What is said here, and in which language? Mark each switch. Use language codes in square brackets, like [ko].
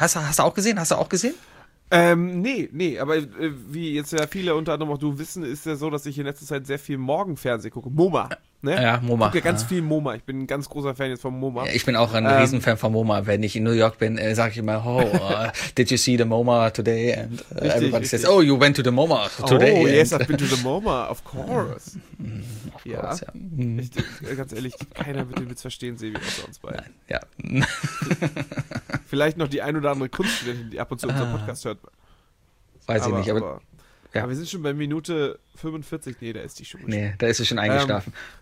[de] Hast du auch gesehen? Nee, aber wie jetzt ja viele unter anderem auch du wissen, ist ja so, dass ich in letzter Zeit sehr viel Morgenfernsehen gucke. MoMA. Ne? Ja, MoMA. Ich gucke ganz viel MoMA. Ich bin ein ganz großer Fan jetzt von MoMA. Ja, ich bin auch ein Riesenfan von MoMA. Wenn ich in New York bin, sage ich immer, oh, [en] did you see the MoMA today? And everybody says, oh, you went to the MoMA today. Oh, and yes, I've been to the MoMA, of course. Of course. [de] Ganz ehrlich, keiner wird den Witz verstehen, sehen wir uns beide. Nein, ja. Vielleicht noch die ein oder andere Kunststudentin, die ab und zu unseren Podcast hört. Weiß ich nicht. Aber wir sind schon bei Minute 45. Nee, da ist die schon. Nee, da ist sie schon eingeschlafen.